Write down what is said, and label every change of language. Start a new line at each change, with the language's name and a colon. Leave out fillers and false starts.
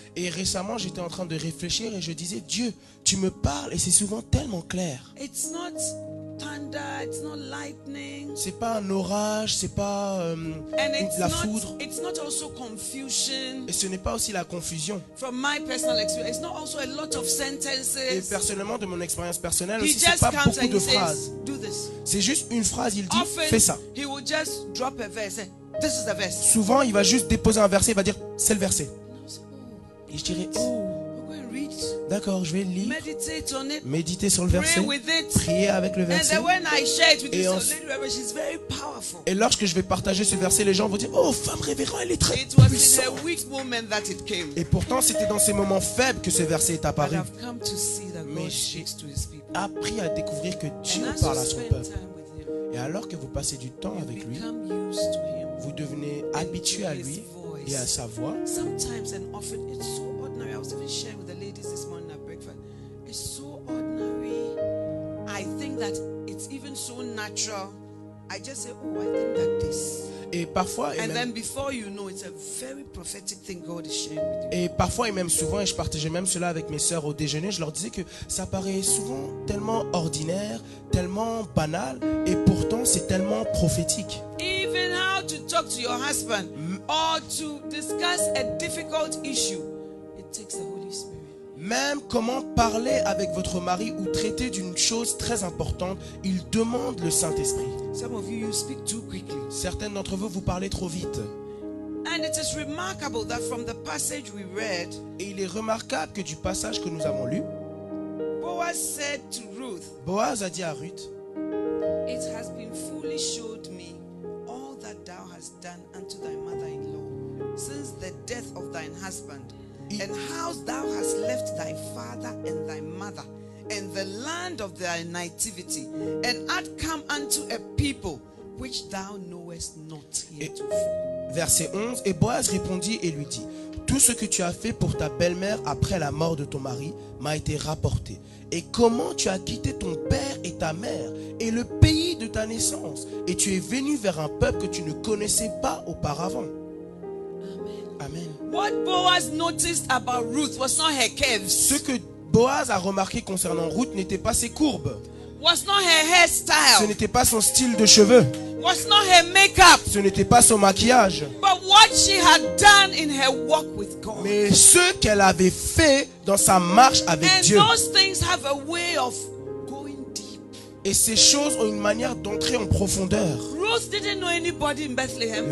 French: Et récemment j'étais en train de réfléchir et je disais, Dieu, tu me parles et c'est souvent tellement clair.
English: It's not thunder, it's not lightning.
French: C'est pas un orage, c'est pas la foudre.
English: It's not also confusion.
French: Et ce n'est pas aussi la confusion.
English: From my personal experience, it's not also a lot of sentences.
French: Et personnellement, de mon expérience personnelle, aussi, c'est pas beaucoup
English: and
French: de phrases.
English: Says, do this.
French: C'est juste une phrase. Il dit,
English: often,
French: fais ça.
English: He will just drop a verse. This is the verse.
French: Souvent, il va juste déposer un verset. Il va dire, c'est le verset. Et je dirais, oh. D'accord, je vais lire, méditer sur le verset, prier avec le verset. Et, et lorsque je vais partager ce verset, les gens vont dire, oh, femme révérente, elle est très puissante. Et pourtant, c'était dans ces moments faibles que ce verset est apparu. Mais j'ai appris à découvrir que Dieu parle à son peuple. Et alors que vous passez du temps avec lui, vous devenez habitué à lui et à sa voix.
English: Sometimes and often it's so ordinary. I was even sharing with the ladies this morning at breakfast. It's so ordinary. I think that it's even so natural. I just say, oh, I think that this.
French: Et parfois,
English: and then before you know, it's a very prophetic thing God is sharing with you.
French: Et parfois et même souvent, et je partageais même cela avec mes sœurs au déjeuner, je leur disais que ça paraît souvent tellement ordinaire, tellement banal, et pourtant c'est tellement prophétique.
English: Even how to talk to your husband or to discuss a difficult issue, it takes the Holy Spirit.
French: Même comment parler avec votre mari ou traiter d'une chose très importante, il demande le Saint-Esprit.
English: Some of you speak too quickly.
French: Certaines d'entre vous, vous parlez trop vite.
English: And it is remarkable that from the passage we read,
French: et il est remarquable que du passage que nous avons lu,
English: Boaz said to Ruth,
French: Boaz a dit à Ruth,
English: it has been fully showed me all that thou hast done unto thy mother-in-law since the death of thine husband. And how thou hast left thy father and thy mother and the land of thy nativity and art come unto a people which thou knowest not yet.
French: Verset 11, et Boaz répondit et lui dit, tout ce que tu as fait pour ta belle-mère après la mort de ton mari m'a été rapporté. et comment tu as quitté ton père et ta mère et le pays de ta naissance et tu es venu vers un peuple que tu ne connaissais pas auparavant.
English: Amen. What Boaz noticed about Ruth was not her curves.
French: Ce que Boaz a remarqué concernant Ruth n'était pas ses courbes.
English: Was not her hairstyle.
French: Ce n'était pas son style de cheveux.
English: Was not her makeup.
French: Ce n'était pas son maquillage.
English: But what she had done in her walk with God.
French: Mais ce qu'elle avait fait dans sa marche avec
English: And
French: Dieu.
English: Those things have a way of going deep.
French: Et ces choses ont une manière d'entrer en profondeur.
English: Ruth didn't know anybody in Bethlehem.